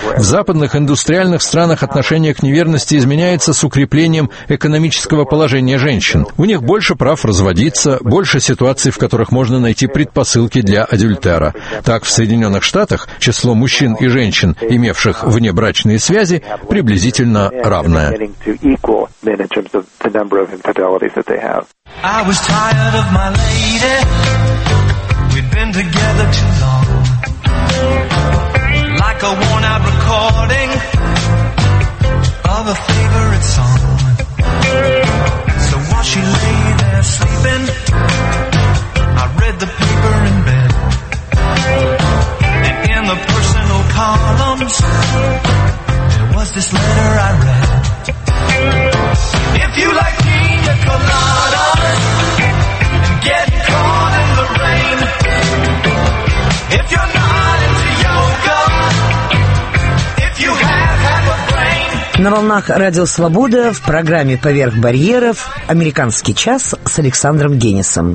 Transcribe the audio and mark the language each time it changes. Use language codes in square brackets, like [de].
[ru] В западных индустриальных странах отношение к неверности изменяется с укреплением экономического положения женщин. У них больше прав разводиться, больше ситуаций, в которых можно найти предпосылки для адюльтера. Так, в Соединенных Штатах число мужчин и женщин, имевших внебрачные связи, приблизительно равное. [en] To equal men in terms of the number of infidelities that they have. I was tired of my lady. We'd been together too long. Like a worn out recording of a favorite song. So while she lay there sleeping, I read the paper in bed. And in the personal columns, there was this letter I read. If you like piña coladas and getting caught in the rain, if you're not into yoga, if you have a brain. [ru] На волнах Радио Свобода в программе «Поверх барьеров» «Американский час» с Александром Генисом.